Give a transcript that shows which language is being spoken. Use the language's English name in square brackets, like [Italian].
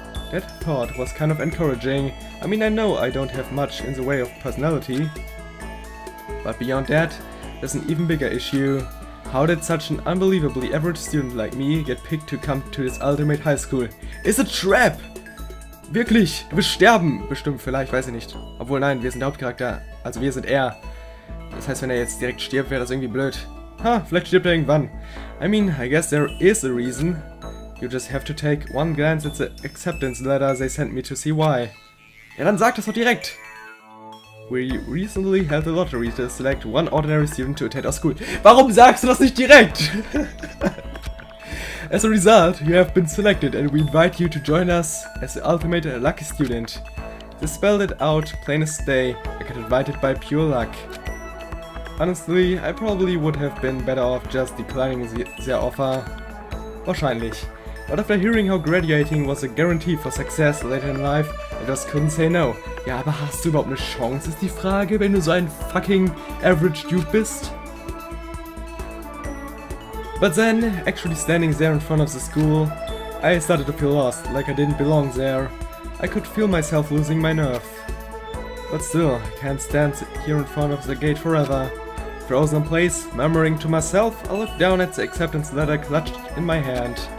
[English] That thought was kind of encouraging. I mean, I know I don't have much in the way of personality. But beyond that, there's an even bigger issue. How did such an unbelievably average student like me get picked to come to this ultimate high school? It's a trap! [German] Wirklich, wir sterben bestimmt, vielleicht, weiß ich nicht. Obwohl, nein, wir sind der Hauptcharakter. Also wir sind er. Das heißt, wenn er jetzt direkt stirbt, wäre das irgendwie blöd. Ha, vielleicht stirbt er irgendwann. [English] I mean, I guess there is a reason. You just have to take one glance at the acceptance letter they sent me to see why. [German] Ja, dann sag das doch direkt. [English] We recently held a lottery to select one ordinary student to attend our school. [German] Warum sagst du das nicht direkt? [English] As a result, you have been selected and we invite you to join us as the ultimate lucky student. They spelled it out plain as day, I got invited by pure luck. Honestly, I probably would have been better off just declining their offer. [German] Wahrscheinlich. [English] But after hearing how graduating was a guarantee for success later in life, I just couldn't say no. [German] Ja, aber hast du überhaupt eine Chance, ist die Frage, wenn du so ein fucking average dude bist? [English] But then, actually standing there in front of the school, I started to feel lost, like I didn't belong there. I could feel myself losing my nerve. But still, I can't stand here in front of the gate forever. Frozen in place, murmuring to myself, I looked down at the acceptance letter clutched in my hand.